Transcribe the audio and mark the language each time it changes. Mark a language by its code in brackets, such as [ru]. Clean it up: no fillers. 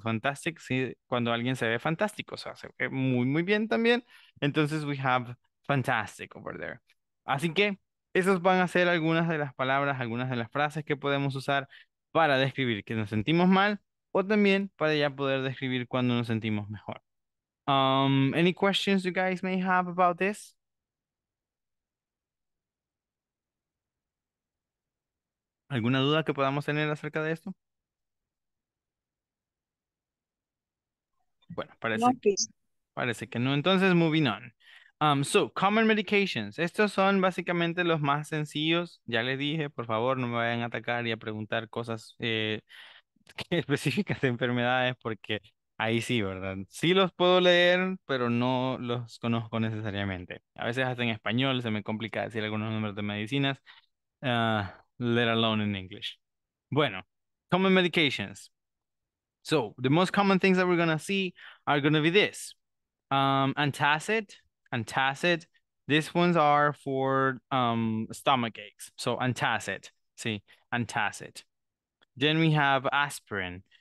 [es] Fantastic, sí, cuando alguien se ve fantástico, o sea, se ve muy, muy bien también. Entonces, [en] we have fantastic over there. [es] Así que esas van a ser algunas de las palabras, algunas de las frases que podemos usar para describir que nos sentimos mal o también para ya poder describir cuando nos sentimos mejor. [en] Any questions you guys may have about this? [es] ¿Alguna duda que podamos tener acerca de esto? Bueno, parece que no. Entonces, [en] moving on. So, common medications. [es] Estos son básicamente los más sencillos. Ya les dije, por favor, no me vayan a atacar y a preguntar cosas específicas de enfermedades, porque ahí sí, ¿verdad? Sí los puedo leer, pero no los conozco necesariamente. A veces hasta en español se me complica decir algunos números de medicinas, [en] let alone in English. [es] Bueno, [en] common medications. So, the most common things that we're going to see are going to be this. Antacid, these ones are for stomach aches. So antacid, sí, antacid. Then we have aspirin.